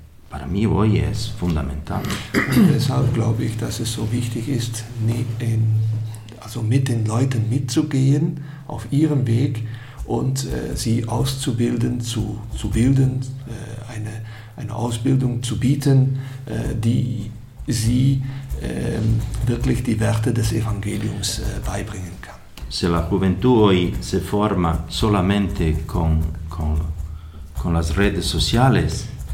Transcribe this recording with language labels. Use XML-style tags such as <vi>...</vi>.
<es>Para mí hoy es fundamental.</es> <de>Deshalb glaube ich, dass es so wichtig ist, mit den Leuten mitzugehen auf ihrem Weg und sie auszubilden, zu bilden, eine Ausbildung zu bieten, die sie wirklich die Werte des Evangeliums beibringen kann.</de> <es>Se la juventud hoy se forma solamente con las redes sociales.</es>